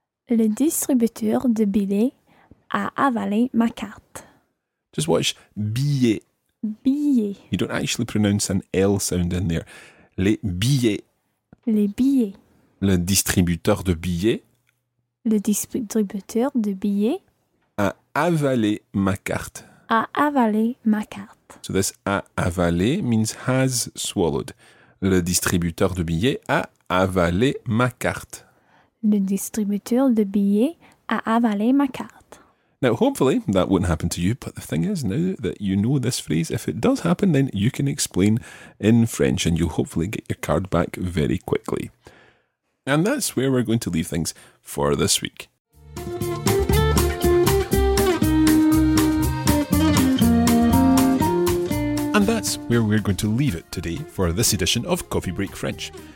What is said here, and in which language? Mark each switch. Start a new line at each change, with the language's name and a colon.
French: Le distributeur de billets a avalé ma carte.
English: Just watch billet.
French: Billet.
English: You don't actually pronounce an L sound in there.
French: Les billets. Les billets. Le distributeur de billets. Le distributeur de billets. A avalé ma carte. A avalé ma carte.
English: So this
French: a avalé
English: means has swallowed.
French: Le distributeur de billets a avalé ma carte. Le distributeur de billets a avalé ma carte.
English: Now, hopefully that won't happen to you, but the thing is, now that you know this phrase, if it does happen, then you can explain in French and you'll hopefully get your card back very quickly. And that's where we're going to leave things for this week. And that's where we're going to leave it today for this edition of Coffee Break French.